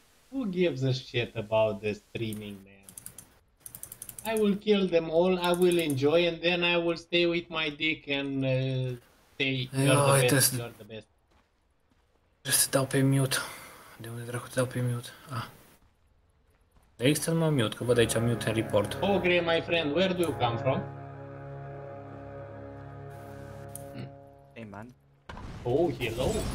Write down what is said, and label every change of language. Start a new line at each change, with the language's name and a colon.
English: Who gives a shit about the streaming, man? I will kill them all, I will enjoy, and then I will stay with my dick and say, you're the
Romanian: Ai,
English: best, you're the best.
Romanian: trebuie să dau pe mute. De unde dracu să dau pe mute? Ah. Există numai mute, că văd aici mute în report.
English: Ogre, my friend, where do you come from? Hey man. Oh, hello.